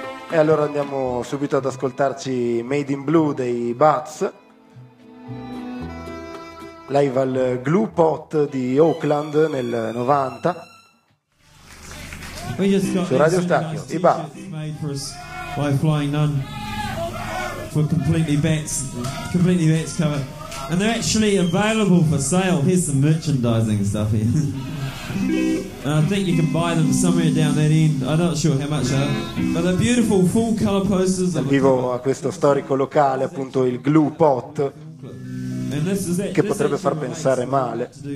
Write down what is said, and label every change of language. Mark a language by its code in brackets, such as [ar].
[it] E allora andiamo subito ad ascoltarci Made in Blue dei Bats, live al Glue Pot di Oakland nel 90, su Radio Stacchio, i Bats. [en] For completely bets cover, and they're actually available for sale. Here's some merchandising stuff here, and I think you can buy them somewhere down that end. I'm not sure how much they are, but they're beautiful full color posters. [it] Vivo a questo storico locale, appunto il Glue Pot, che potrebbe far pensare male.